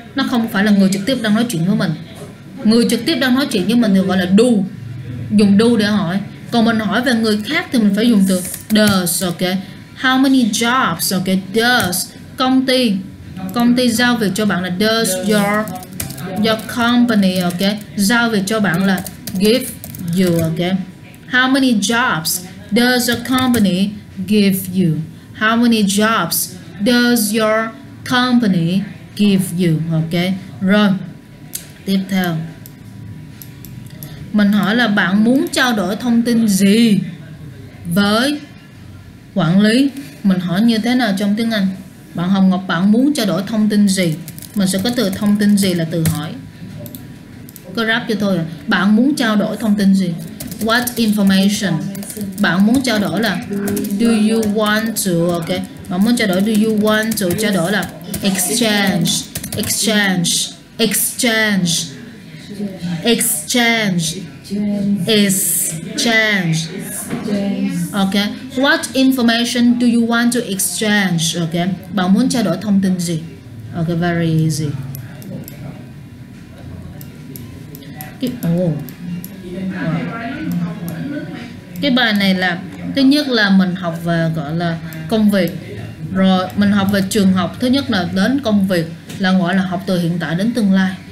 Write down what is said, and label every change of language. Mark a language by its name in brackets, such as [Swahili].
[Vietnamese] Nó không phải là người trực tiếp đang nói chuyện với mình. Người trực tiếp đang nói chuyện với mình thì gọi là do. Dùng do để hỏi. Còn mình hỏi về người khác thì mình phải dùng từ does, ok. [English] How many jobs, ok, does. [Vietnamese] Công ty giao việc cho bạn là [English] does your company, [Vietnamese] ok. Giao việc cho bạn là [English] give you, [Vietnamese] ok. [English] How many jobs does a company give you? How many jobs does your company give you? [Vietnamese] Ok. Rồi. Tiếp theo. Mình hỏi là bạn muốn trao đổi thông tin gì với quản lý? Mình hỏi như thế nào trong tiếng Anh? Bạn Hồng Ngọc bạn muốn trao đổi thông tin gì? Mình sẽ có từ thông tin gì là từ hỏi. Cứ rap cho thôi. Bạn muốn trao đổi thông tin gì? [English] What information? [Vietnamese] Bạn muốn trao đổi là [English] do you want to, [Vietnamese] ok? Bạn muốn trao đổi [English] do you want to, [Vietnamese] trao đổi là [English] exchange, exchange, exchange, exchange, exchange, ok? What information do you want to exchange, ok? [Vietnamese] Bạn muốn trao đổi thông tin gì? [English] Ok, very easy. Oh. [Vietnamese] Cái bài này là thứ nhất là mình học về gọi là công việc, rồi mình học về trường học, thứ nhất là đến công việc, là gọi là học từ hiện tại đến tương lai.